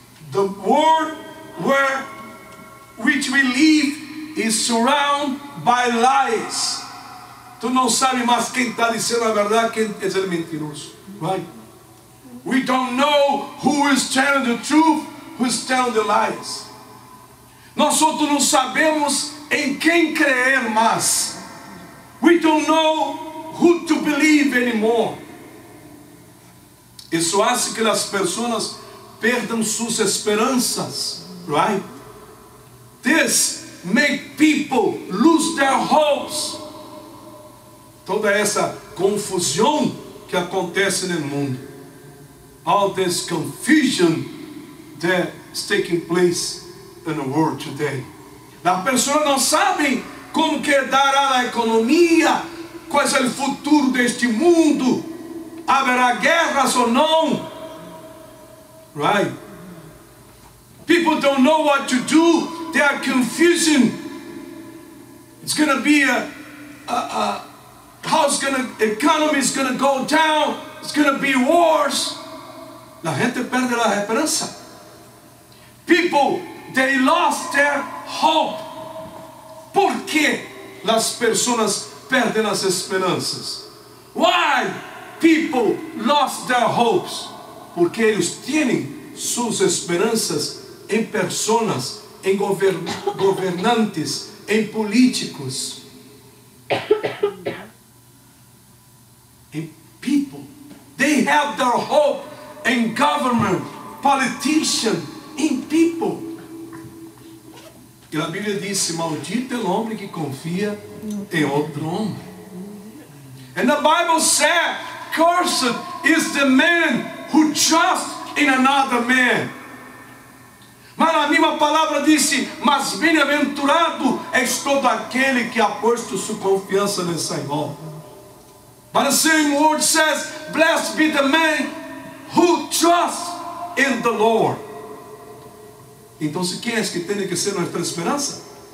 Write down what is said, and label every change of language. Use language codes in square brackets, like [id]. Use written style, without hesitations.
[en] The world where which we live is surrounded by lies. [pt] Tu não sabes mais quem está dizendo a verdade, quem é o mentiroso. [en] Right? We don't know who is telling the truth, who is telling the lies. [pt] Nós outros não sabemos em quem crer mais. [en] We don't know who to believe anymore. [pt] Isso faz que as pessoas perdam suas esperanças, right? [en] This make people lose their hopes. [pt] Toda essa confusão que acontece no mundo. [en] All this confusion that is taking place in the world today. [pt] As pessoas não sabem como que dará a economia, qual é o futuro deste mundo, haverá guerras ou não. [en] Right? People don't know what to do, they are confusing. It's going to be economy is going to go down, it's going to be wars. [es] La gente perde la esperanza. [en] People, they lost their hope. [es] Por que las personas perden las esperanzas? [en] Why people lost their hopes? [es] Porque ellos tienen sus esperanzas en personas, en gobernantes, en políticos. [en] In people, they have their hope in government, politician, in people. [pt] E a Bíblia diz: maldito é o homem que confia em outro homem. [en] And the Bible said, cursed is the man who trusts in another man. [pt] Mas a mesma palavra diz: mas bem-aventurado é todo aquele que ha posto sua confiança no Senhor. [en] But the same word says, blessed be the man who trusts in the Lord. [pt] Então, quem é que tem que ser nossa esperança?